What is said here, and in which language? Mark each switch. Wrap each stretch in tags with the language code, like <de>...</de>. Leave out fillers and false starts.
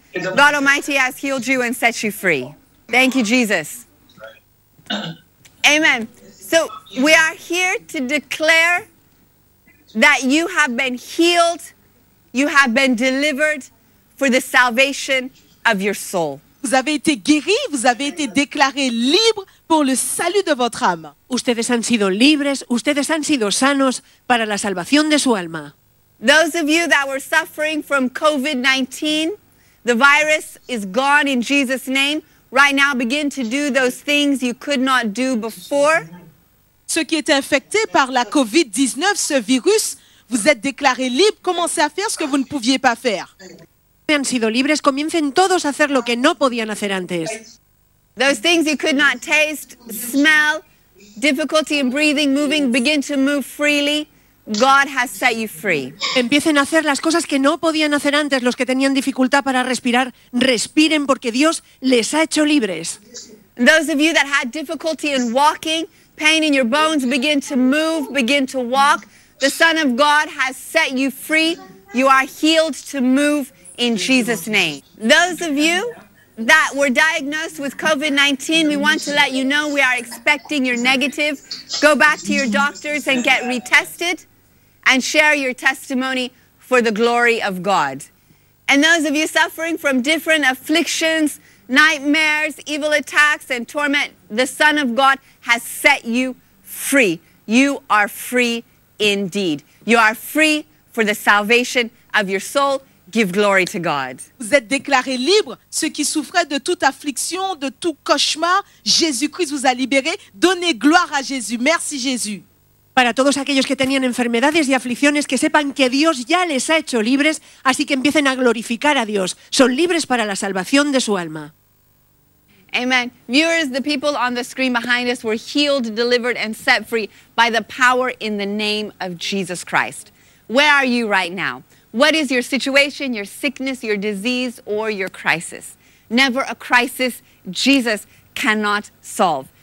<en>God Almighty has healed you and set you free. Thank you, Jesus. Amen. So we are here to declare that you have been healed. You have been delivered for the salvation of your soul.</en> <fr>Vous avez été guéri, vous avez été déclaré libre pour le salut de votre âme.</fr> <es>Ustedes han sido libres, ustedes han sido sanos para la salvación de su alma.</es> <en>Those of you that were suffering from COVID-19, the virus is gone in Jesus' name. Right now, begin to do those things you could not do before.</en> <fr>Ceux qui étaient infectés par la COVID-19, ce virus, vous êtes déclarés libres. Commencez à faire ce que vous ne pouviez pas faire.</fr> <es>Han sido libres. Comiencen todos a hacer lo que no podían hacer antes.</es> <en>Those things you could not taste, smell, difficulty in breathing, moving, begin to move freely. God has set you free.</en> <es>Empiecen a hacer las cosas que no podían hacer antes, los que tenían dificultad para respirar. Respiren porque Dios les ha hecho libres.</es> <en>Those of you that had difficulty in walking, pain in your bones, begin to move, begin to walk. The Son of God has set you free. You are healed to move in Jesus' name. Those of you that were diagnosed with COVID-19, we want to let you know we are expecting your negative. Go back to your doctors and get retested and share your testimony for the glory of God. And those of you suffering from different afflictions, nightmares, evil attacks, and torment, the Son of God has set you free. You are free indeed. You are free for the salvation of your soul. Give glory to God.</en> <fr>Vous êtes déclarés libres. Ceux qui souffraient de toute affliction, de tout cauchemar, Jésus-Christ vous a libérés. Donnez gloire à Jésus. Merci, Jésus.</fr> <es>Para todos aquellos que tenían enfermedades y aflicciones, que sepan que Dios ya les ha hecho libres, así que empiecen a glorificar a Dios. Son libres para la salvación de su alma.</es> <en>Amen. Viewers, the people on the screen behind us were healed, delivered, and set free by the power in the name of Jesus Christ. Where are you right now? What is your situation, your sickness, your disease, or your crisis? Never a crisis Jesus cannot solve.</en>